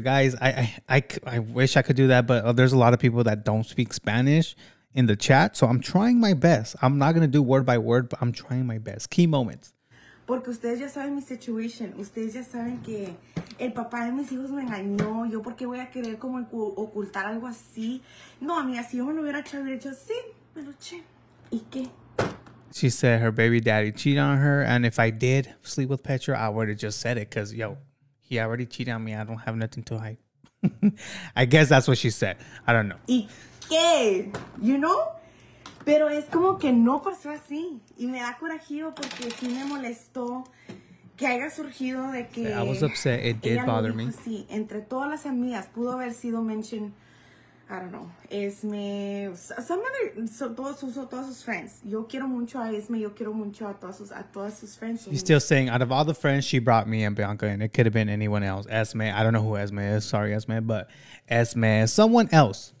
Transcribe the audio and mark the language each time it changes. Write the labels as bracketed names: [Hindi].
[English] Guys, I wish I could do that, but there's a lot of people that don't speak Spanish in the chat, so I'm trying my best. I'm not gonna do word by word, but I'm trying my best. Key moments. [Spanish] Porque ustedes ya saben mi situation. Ustedes ya saben que el papá de mis hijos me engañó. Yo porque voy a querer como ocultar algo así. No, amiga, si yo me lo hubiera echado, hecho, sí, me lo eché. ¿Y qué? [English] She said her baby daddy cheated on her, and if I did sleep with Petra, I would have just said it, because, yo, he already cheated on me. I don't have nothing to hide. I guess that's what she said. I don't know. [Spanish] ¿Y qué? [English] You know? [Spanish] Pero es como que no pasó así. Y me da corajío porque sí me molestó que haya surgido de que... [English] I was upset. It did bother me. [Spanish] Sí, entre todas las amigas pudo haber sido mentioned, [English] I don't know, [Spanish] Esme, [English] some other, [Spanish] so, todos sus friends. Yo quiero mucho a Esme, yo quiero mucho a todas sus friends. [English] He's still saying, out of all the friends, she brought me and Bianca, and it could have been anyone else. Esme, I don't know who Esme is, sorry Esme, but Esme, someone else.